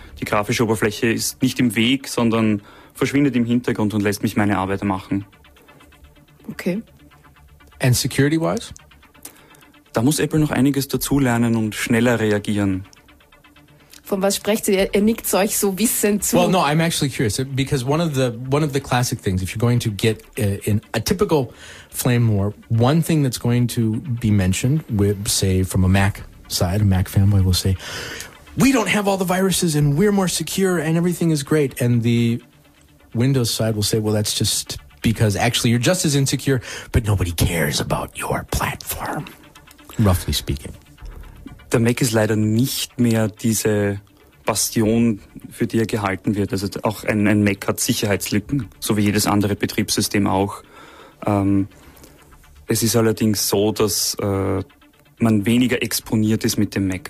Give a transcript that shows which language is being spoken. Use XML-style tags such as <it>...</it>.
<de>Die grafische Oberfläche ist nicht im Weg, sondern verschwindet im Hintergrund und lässt mich meine Arbeit machen. Okay.</de> <en>And security-wise?</en> <de>Da muss Apple noch einiges dazulernen und schneller reagieren. Von was sprecht ihr? Er nickt euch so wissend zu.</de> <en>Well, no, I'm actually curious. Because one of the classic things, if you're going to get in a typical flame war, one thing that's going to be mentioned, with, say, from a Mac side, a Mac fanboy will say, we don't have all the viruses and we're more secure and everything is great. And the Windows side will say, well, that's just because actually you're just as insecure, but nobody cares about your platform, roughly speaking.</en> <de>der Mac ist leider nicht mehr diese Bastion, für die er gehalten wird. Also auch ein Mac hat Sicherheitslücken, so wie jedes andere Betriebssystem auch. Es ist allerdings so, dass man weniger exponiert ist mit dem Mac.</de>